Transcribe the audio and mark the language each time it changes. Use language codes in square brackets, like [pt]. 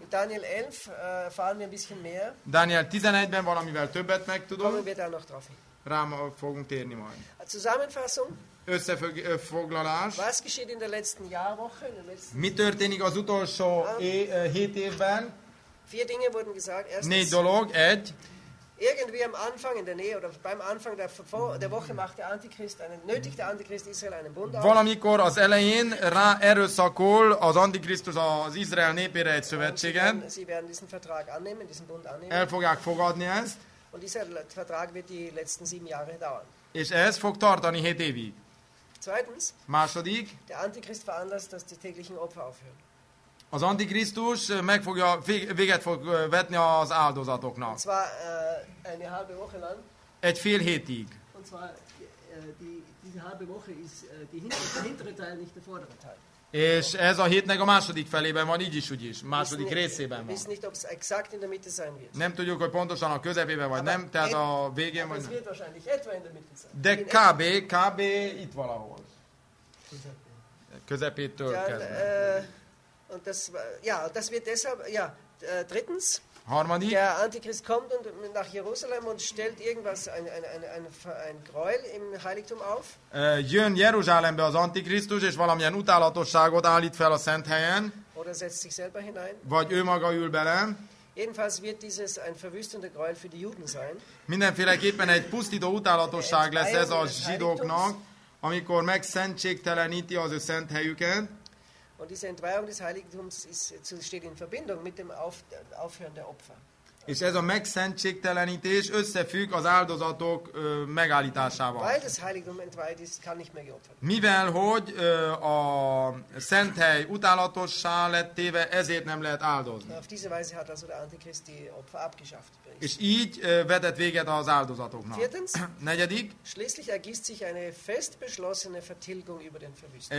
[de] Daniel 11, fahren wir ein bisschen mehr. [hu] Daniel 11-ben valamivel többet megtudom. [de] Kommen wir da noch drauf hin. [hu] Rám fogunk térni majd. [de] A Zusammenfassung. [hu] Összefoglalás. [de] Was geschieht in der letzten Jahrwoche? In der letzten [hu] mi történik az utolsó hét évben? [de] Vier Dinge wurden gesagt. Erstens, [hu] négy dolog, egy. [de] Irgendwie am Anfang in der Nähe oder beim Anfang der Woche macht der Antichrist nötigt der Antichrist Israel einen Bund auf. [hu] Valamikor az elején rá erőszakol az Antikrisztus az Izrael népére egy szövetséget. [de] Sie werden diesen Vertrag annehmen, diesen Bund annehmen. [hu] El fogják fogadni ezt. [de] Und dieser Vertrag wird die letzten sieben Jahre dauern. [hu] És ez fog tartani hét évig. [de] Zweitens. [hu] Második. [de] Der Antichrist veranlasst, dass die täglichen Opfer aufhören. [hu] Az Antikrisztus meg fogja, véget fog vetni az áldozatoknak. [de] Zwar, eine halbe Woche lang. [hu] Egy fél hétig. [de] Und zwar, diese halbe Woche ist die hintere Teil, nicht der vordere Teil. [hu] És ez a hétnek a második felében van, így is, úgy is. Második részében van. [de] Nicht, ob's exakt in der Mitte sein wird. [hu] Nem tudjuk, hogy pontosan a közepében vagy [de] aber [hu] nem, tehát a végén vagy nem. [de] Wird wahrscheinlich etwa in der Mitte sein. [hu] De kb. Itt valahol. Közepétől kezdve. [de] Und das ja, das wird deshalb ja, drittens. [hu] Harmadik. [de] Der Antichrist kommt und nach Jerusalem und stellt irgendwas ein Gräuel im Heiligtum auf. [hu] Jön Jeruzsálembe az Antikrisztus és valamilyen utálatosságot állít fel a szent helyen. [de] Oder setzt sich selber hinein. [hu] Vagy ő maga ül bele. [de] Jedenfalls wird dieses ein verwüstender Gräuel für die Juden sein. [hu] Mindenféleképpen egy pusztító utálatosság lesz ez a zsidóknak, amikor megszentségteleníti az ő szent helyüket. [de] Und diese Entweihung des Heiligtums steht in Verbindung mit dem Aufhören der Opfer. [hu] És ez a megszentségtelenítés összefügg az áldozatok megállításával. [de] Weil das Heiligtum entweiht ist, kann nicht mehr geopfert. [hu] Mivel hogy a szent hely utálatossá lett téve, ezért nem lehet áldozni. [de] Auf diese Weise hat also der Antichrist die Opfer abgeschafft. [hu] És így vetett véget az áldozatoknak. [de] Viertens. [hu] Negyedik. [de] Schließlich ergießt sich eine fest beschlossene Vertilgung über den Verwüster.